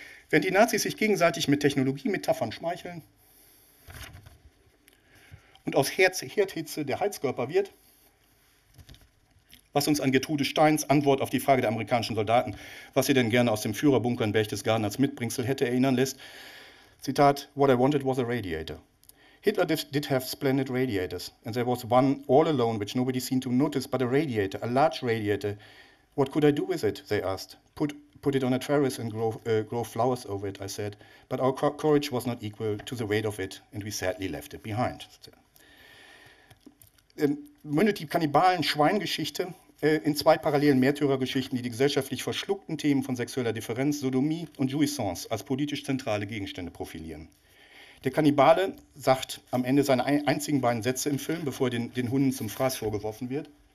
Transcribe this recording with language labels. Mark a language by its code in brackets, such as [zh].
[de] Wenn die Nazis sich gegenseitig mit Technologie-Metaphern schmeicheln und aus Herdhitze der Heizkörper wird, was uns an Gertrude Steins Antwort auf die Frage der amerikanischen Soldaten, was sie denn gerne aus dem Führerbunker in Berchtesgaden als Mitbringsel hätte, erinnern lässt, Zitat, [en] what I wanted was a radiator. Hitler did have splendid radiators, and there was one all alone which nobody seemed to notice but a radiator, a large radiator. What could I do with it, they asked. Put it on a terrace and grow flowers over it, I said. But our courage was not equal to the weight of it, and we sadly left it behind. [de] Mündet die kannibalen Schweingeschichte in zwei parallelen Märtyrergeschichten, die die gesellschaftlich verschluckten Themen von sexueller Differenz, Sodomie und Jouissance als politisch zentrale Gegenstände profilieren. Der Kannibale sagt am Ende seine einzigen beiden Sätze im Film, bevor er den Hunden zum Fraß vorgeworfen wird.